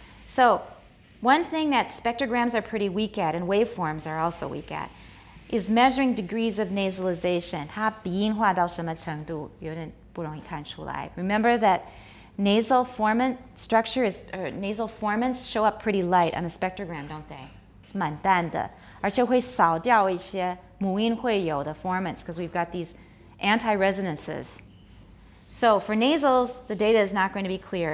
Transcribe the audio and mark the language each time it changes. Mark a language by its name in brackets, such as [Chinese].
[English] So, one thing that spectrograms are pretty weak at, and waveforms are also weak at, is measuring degrees of nasalization. [Chinese] 它鼻音化到什么程度, 有点不容易看出来. [English] Remember that nasal formant structure is, or nasal formants show up pretty light on a spectrogram, don't they? [Chinese] 是蛮淡的.而且会少掉一些母音会有的 formants, [English] because we've got these anti-resonances. So for nasals, the data is not going to be clear.